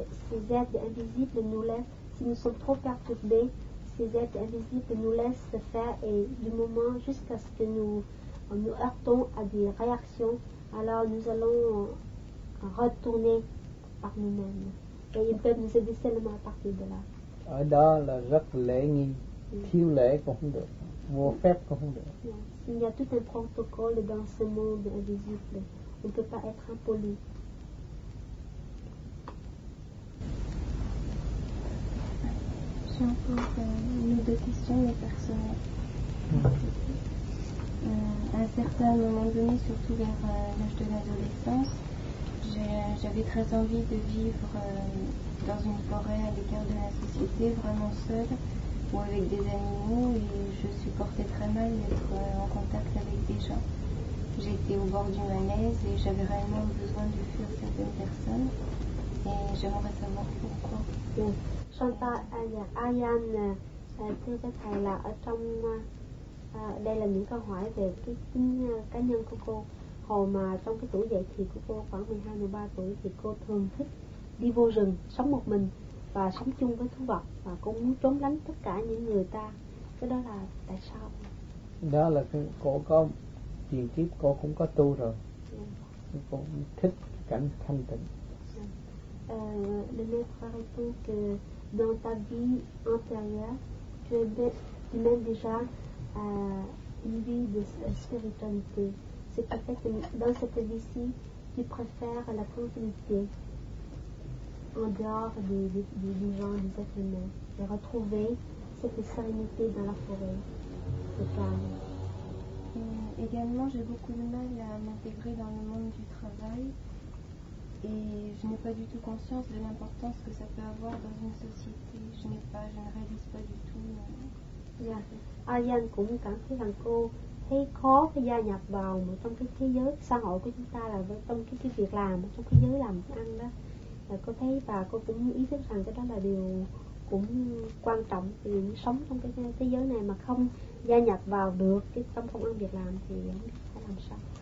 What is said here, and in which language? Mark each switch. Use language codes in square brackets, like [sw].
[fr] Ces êtres invisibles nous laissent, si nous sommes trop perturbés, ces êtres invisibles nous laissent faire et du moment jusqu'à ce que nous heurtons à des réactions, alors nous allons retourner par nous-mêmes. Et ils peuvent nous aider seulement à partir de là. [vi] Ở đó là rất lễ nghi, thiếu lễ cũng không được, vô phép cũng không được. [fr] Il y a tout un protocole dans ce monde invisible. On ne peut pas être impoli. J'ai encore une ou deux questions, mais personnelles. À un certain moment donné, surtout vers l'âge de l'adolescence, j'avais très envie de vivre dans une forêt à l'écart de la société, vraiment seule, ou avec des animaux, et je supportais très mal d'être en contact avec des gens. J'étais au bord du malaise et j'avais réellement besoin de fuir certaines personnes. Et j'aimerais savoir pourquoi. [vi] Chantal, Ayan, thưa các thầy là ở trong đây là những câu hỏi về cái tính cá nhân của cô. Hồi mà trong cái tuổi dậy thì của cô khoảng 12-13 tuổi thì cô thường thích đi vô rừng, sống một mình và sống chung với thú vật, và cô muốn trốn tránh tất cả những người ta. Cái đó là tại sao? Đó là cô có truyền kiếp, cô cũng có tu rồi. Cô cũng thích cảnh thanh tịnh. [fr] Le maître répond que dans ta vie intérieure, tu mènes déjà une vie de spiritualité. C'est peut-être que dans cette vie-ci, tu préfères la tranquillité en dehors des gens, des êtres humains, et retrouver cette sérénité dans la forêt, le calme. Également, j'ai beaucoup de mal à m'intégrer dans le monde du travail. Et je n'ai pas du tout conscience de l'importance que ça peut avoir dans une société. Je ne réalise pas du tout. [vi] Ayan cũng cảm thấy rằng cô thấy khó khi gia nhập vào một trong cái thế giới xã hội của chúng ta, là trong cái việc làm, trong cái giới làm ăn đó. Cô thấy và cô cũng ý thức rằng cái đó là điều cũng quan trọng, vì sống trong cái thế giới này mà không gia nhập vào được cái trong công ăn việc làm thì phải làm sao?